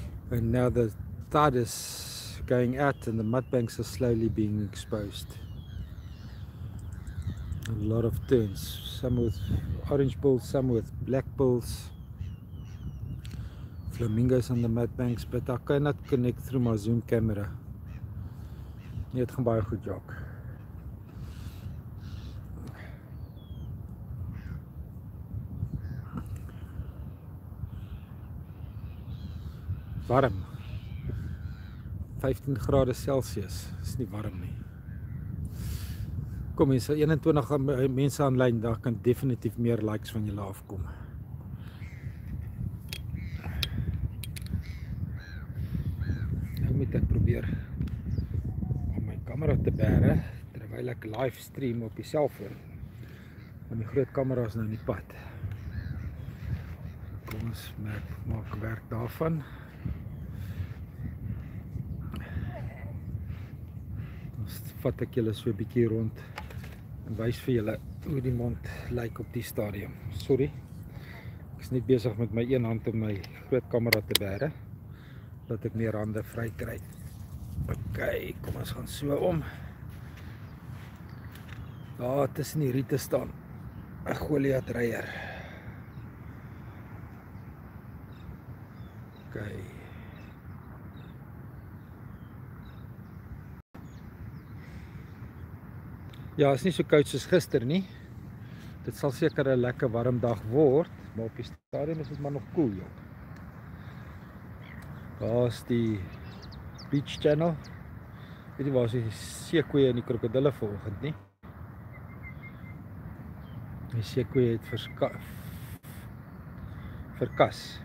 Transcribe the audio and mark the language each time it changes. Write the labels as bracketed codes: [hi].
[en] And now the tide is going out and the mud banks are slowly being exposed. A lot of turns, some with orange bills, some with black bills. Flamingos on the mud banks, but I cannot connect through my Zoom camera. [af] Nee, het gaan baie goed, Jock. Warm. 15 grade Celsius. Is nie warm nie. Kom mense, 21 mense aanlyn, daar kan definitief meer likes van julle afkom. Moet ek probeer om my kamera te bere terwyl ek live stream op die selfoon. Want die groot kamera is nou in die pad. Kom ons maak werk daarvan. Ons vat ek julle so 'n bietjie rond en wys vir julle hoe die mond lyk op die stadium. Sorry. Ek is net besig met my een hand om my groot kamera te bere. Dat ek meer hande vry kry. Ok, kom ons gaan so om. Daar tussen die riete staan. Een Goliath rijer. Ok. Ja, is nie so koud soos gister nie. Dit sal seker een lekker warm dag word. Maar op die stadium is het maar nog koel, joh. Daar is die [en] beach channel. [af] Weet jy waar is die seekoeie en die krokodille vanoggend nie? Die seekoeie het verkas.